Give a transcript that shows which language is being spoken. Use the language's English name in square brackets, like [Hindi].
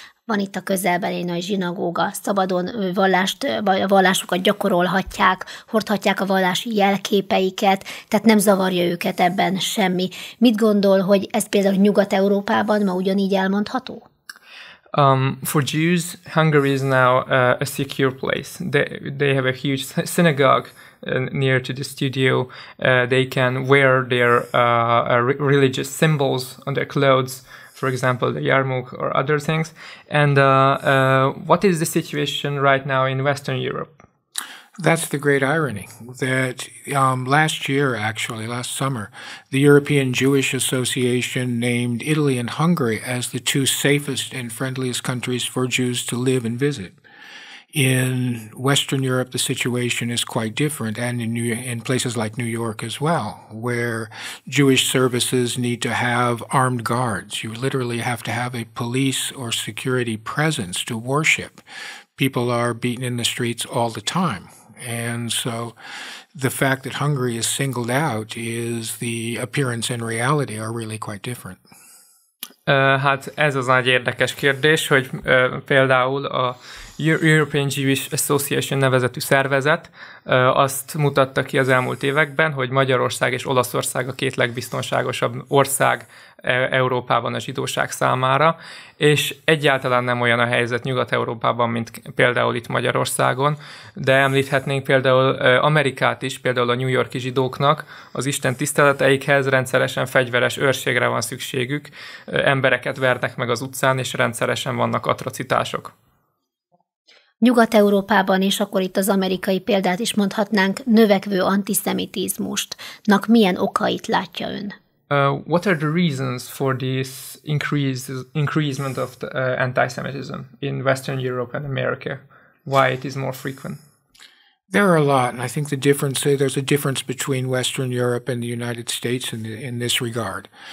[Hungarian] Van itt a közelben egy nagy zsinagóga, szabadon vallásukat gyakorolhatják, hordhatják a vallási jelképeiket, tehát nem zavarja őket ebben semmi. Mit gondol, hogy ez például Nyugat-Európában ma ugyanígy elmondható? [English] For Jews, Hungary is now a secure place. They have a huge synagogue near to the studio. They can wear their religious symbols on their clothes, for example, the yarmulke or other things. And what is the situation right now in Western Europe? That's the great irony, that last summer, the European Jewish Association named Italy and Hungary as the 2 safest and friendliest countries for Jews to live and visit. In Western Europe, the situation is quite different, and in places like New York as well, where Jewish services need to have armed guards. You literally have to have a police or security presence to worship. People are beaten in the streets all the time. And so the fact that Hungary is singled out is the appearance and reality are really quite different. [Hungarian] Hát ez az nagy érdekes kérdés, hogy például a European Jewish Association nevezetű szervezet azt mutatta ki az elmúlt években, hogy Magyarország és Olaszország a 2 legbiztonságosabb ország Európában a zsidóság számára, és egyáltalán nem olyan a helyzet Nyugat-Európában, mint például itt Magyarországon, de említhetnénk például Amerikát is, például a New York-i zsidóknak az Isten tiszteleteikhez rendszeresen fegyveres őrségre van szükségük, embereket vernek meg az utcán, és rendszeresen vannak atrocitások. Nyugat-Európában, és akkor itt az amerikai példát is mondhatnánk, növekvő antiszemitizmusnak milyen okait látja ön? [English] What are the reasons for this increasement of the antisemitism in Western Europe and America? Why it is more frequent? There are a lot, and I think there's a difference between Western Europe and the United States in this regard.